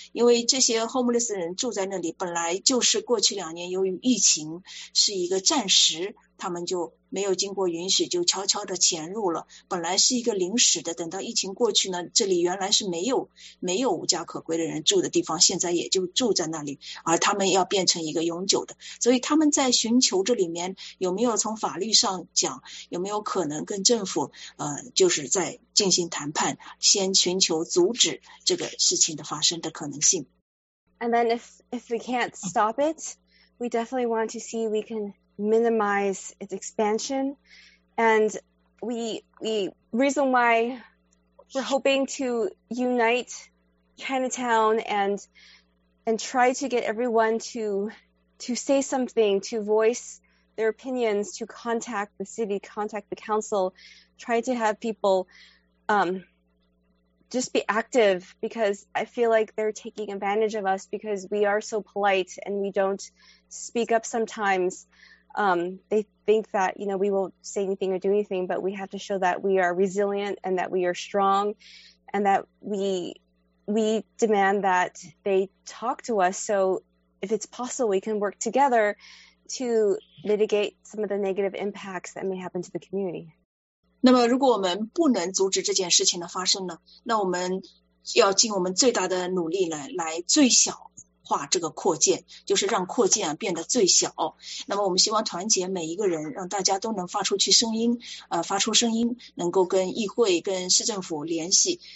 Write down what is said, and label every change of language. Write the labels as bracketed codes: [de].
[zh] 因为这些 homeless 人住在那里本来就是过去两年由于疫情是一个暂时，他们就没有经过允许就悄悄地潜入了，本来是一个临时的，等到疫情过去呢，这里原来是没有无家可归的人住的地方，现在也就住在那里，而他们要变成一个永久的。所以他们在寻求这里面有没有从法律上讲有没有可能跟政府就是在进行谈判，先寻求阻止这个事情的发生的可能性。 [en] And then if we can't stop it, we definitely want to see we canminimize its expansion. And the reason why we're hoping to unite Chinatown and try to get everyone to say something, to voice their opinions, to contact the city, contact the council, try to have people just be active, because I feel like they're taking advantage of us because we are so polite and we don't speak up sometimes. They think that, you know, we won't say anything or do anything, but we have to show that we are resilient and that we are strong and that we demand that they talk to us. So if it's possible, we can work together to mitigate some of the negative impacts that may happen to the community. [zh] 那么如果我们不能阻止这件事情的发生呢，那我们要尽我们最大的努力来最小化这个扩建，就是让扩建变得最小。那么我们希望团结每一个人，让大家都能发出去声音，发出声音，能够跟议会、跟市政府联系。